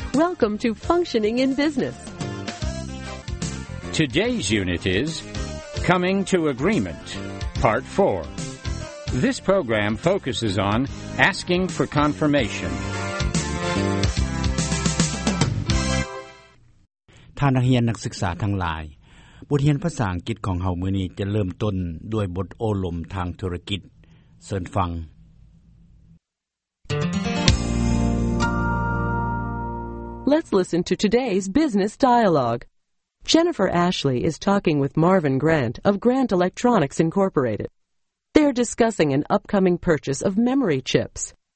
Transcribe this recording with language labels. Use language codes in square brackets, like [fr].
[en] Welcome to Functioning in Business. Today's unit is Coming to Agreement, Part 4. This program focuses on asking for confirmation. [tts] ท่านนักเรียนนักศึกษาทั้งหลายบทเรียนภาษาอังกฤษของเฮามื้อนี้จะเริ่มต้นด้วยบทโอลมทางธุรกิจเชิญฟัง [en] Let's listen to today's business dialogue. Jennifer Ashley is talking with Marvin Grant of Grant Electronics Incorporated. They're discussing an upcoming purchase of memory chips.